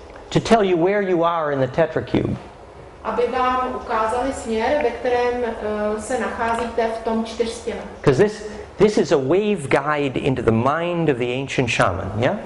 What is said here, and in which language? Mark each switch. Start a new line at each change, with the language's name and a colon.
English: To tell you where you are in the tetracube.
Czech: Aby vám ukázali směr, ve kterém se nacházíte v tom čtyřstěnu.
English: Because this is a wave guide into the mind of the ancient shaman, yeah?